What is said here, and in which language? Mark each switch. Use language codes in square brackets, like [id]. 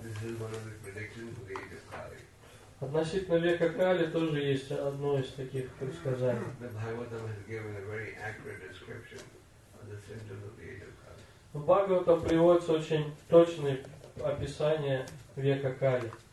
[en] This is one of the predictions of the age of Kali. [ru] Относительно века Кали тоже есть одно из таких предсказаний. [en] The Bhagavatam has given a very accurate description of the symptoms of the age of Kali. [ru] В Бхагаватам приводится очень точный описание века Кали.